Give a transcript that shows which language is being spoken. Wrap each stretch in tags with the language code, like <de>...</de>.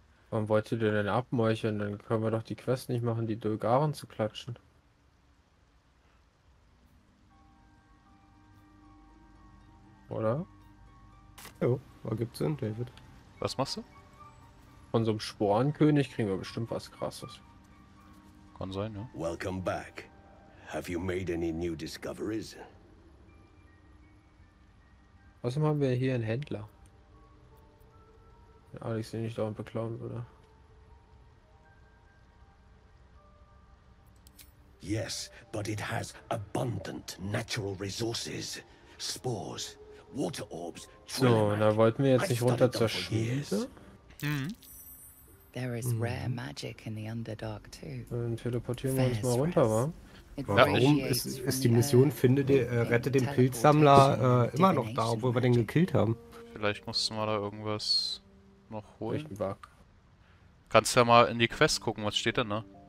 <de>Warum wollt ihr denn abmeucheln? Dann können wir doch die Quest nicht machen, die Dolgaren zu klatschen. Oder? Jo, was gibt's denn, David? Was machst du? Von so einem Sporenkönig kriegen wir bestimmt was Krasses. Kann sein, ja.</de> <en>Welcome back. Have you made any new discoveries?</en> <de>Außerdem haben wir hier einen Händler. Wenn Alex den nicht dauernd beklauen würde.</de> <en>Yes, but it has abundant natural resources. Spores, water orbs,</en> <de>so, da wollten wir jetzt nicht runter zur Schmiede.</de> <en>There is rare magic in the Underdark too.</en> <de>Dann teleportieren wir uns mal runter, wa? Warum ist die Mission rette den Pilzsammler immer noch da, obwohl wir den gekillt haben? Vielleicht mussten wir da irgendwas noch holen. Echt ein Bug. Kannst ja mal in die Quest gucken, was steht denn da?</de>